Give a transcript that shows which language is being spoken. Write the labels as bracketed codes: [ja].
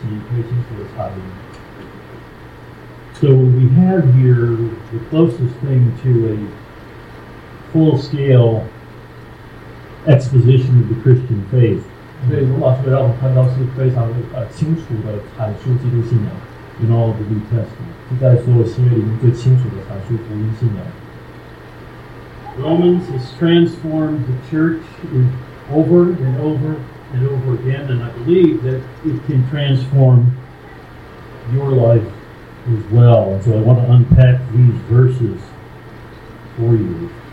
[zh] 也有可能是他想要把过去20多年他向外邦人所传讲的信息可以清楚的阐明。 [en] So what we have here, the closest thing to a full-scale exposition of the Christian faith. [zh] 所以罗马书让我们看到是非常清楚的阐述基督信仰。 [en] In all of the New Testament. [zh] 是在所有新约里面最清楚的阐述福音信仰。 [en] Romans has transformed the church over and over and over again, and I believe that it can transform your life as well. And so I want to unpack these verses for you.